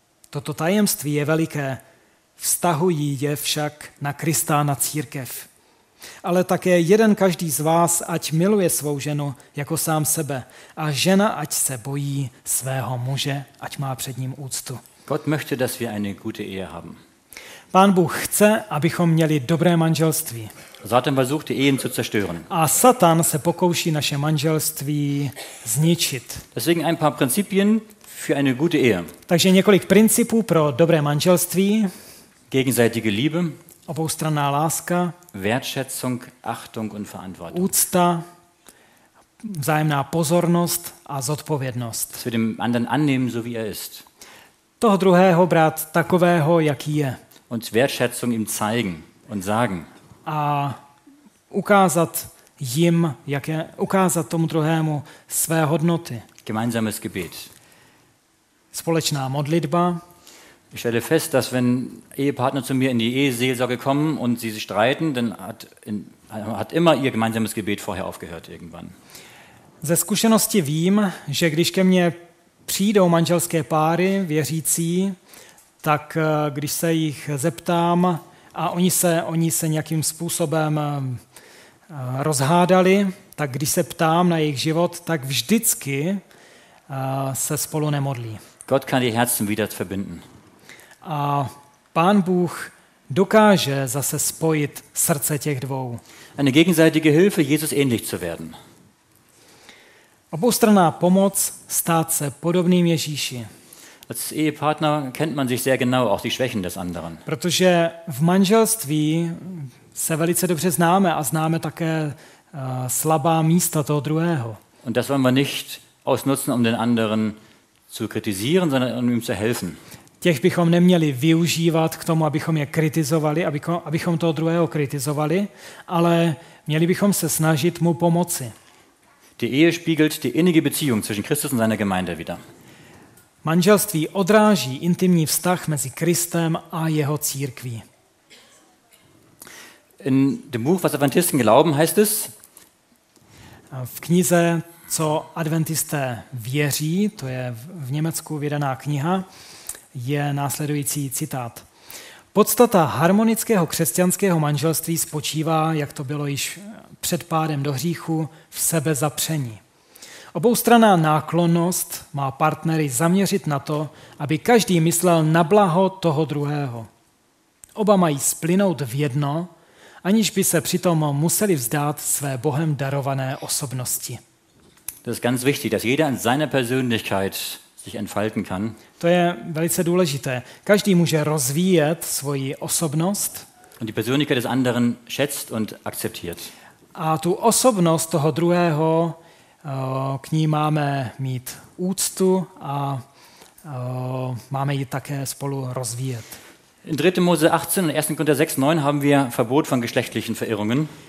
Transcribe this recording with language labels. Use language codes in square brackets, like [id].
[cs] Toto tajemství je veliké, vztahují je však na Krista a na církev. Ale také jeden každý z vás, ať miluje svou ženu jako sám sebe, a žena, ať se bojí svého muže, ať má před ním úctu. [de] Gott möchte, dass wir eine gute Ehe haben. [cs] Pán Bůh chce, abychom měli dobré manželství. [de] Satan versucht die Ehen zu zerstören. [cs] A Satan se pokouší naše manželství zničit. [de] Deswegen ein paar Prinzipien für eine gute Ehe. [cs] Takže několik principů pro dobré manželství. [de] Gegenseitige Liebe. [cs] Oboustranná láska. [de] Wertschätzung, Achtung und Verantwortung. [cs] Úcta. Vzájemná pozornost a zodpovědnost. [de] Zu dem anderen annehmen, so wie er ist. [cs] Toho druhého brát takového, jaký je. [de] Und Wertschätzung ihm zeigen und sagen. [cs] A ukázat jim, jak je, ukázat tomu druhému své hodnoty. [de] Gemeinsames Gebet. [cs] Společná modlitba. [de] Ich stelle fest, dass wenn Ehepartner zu mir in die Eheseelsorge kommen und sie sich streiten, dann hat immer ihr gemeinsames Gebet vorher aufgehört irgendwann. [cs] Ze zkušenosti vím, že když ke mně přijdou manželské páry věřící, tak když se jich zeptám a oni se nějakým způsobem rozhádali, tak když se ptám na jejich život, tak vždycky se spolu nemodlí. [de] Gott kann die Herzen wieder verbinden. [cs] A Pán Bůh dokáže zase spojit srdce těch dvou. [de] Eine gegenseitige Hilfe, Jesus ähnlich zu werden. [cs] Oboustranná pomoc stát se podobným Ježíši. [de] Als Ehepartner kennt man sich sehr genau auch die Schwächen des anderen. [cs] Protože v manželství se velice dobře známe a známe také slabá místa toho druhého. [de] Und das wollen wir nicht ausnutzen, um den anderen zu kritisieren, sondern um ihm zu helfen. [cs] Těch bychom neměli využívat k tomu, abychom je kritizovali, abychom toho druhého kritizovali, ale měli bychom se snažit mu pomoci. [de] Die Ehe spiegelt die innige Beziehung zwischen Christus und seiner Gemeinde wider. [cs] Manželství odráží intimní vztah mezi Kristem a jeho církví. [de] In dem Buch, was Adventisten glauben, heißt es. [cs] V knize, co Adventisté věří, to je v Německu vydaná kniha, je následující citát. Podstata harmonického křesťanského manželství spočívá, jak to bylo již před pádem do hříchu, v sebezapření. Oboustranná náklonnost má partnery zaměřit na to, aby každý myslel na blaho toho druhého. Oba mají splynout v jedno, aniž by se přitom museli vzdát své Bohem darované osobnosti. To je [de] ganz wichtig, dass jeder in seiner Persönlichkeit sich entfalten kann. [cs] To je velice důležité. Každý může rozvíjet svoji osobnost. [de] Und die Persönlichkeit des anderen schätzt und akzeptiert. [cs] A tu osobnost toho druhého, k ní máme mít úctu a máme ji také spolu rozvíjet. [de] In 3. Mose 18 und 1. Korinther 6, 9 haben wir Verbot von geschlechtlichen Verirrungen.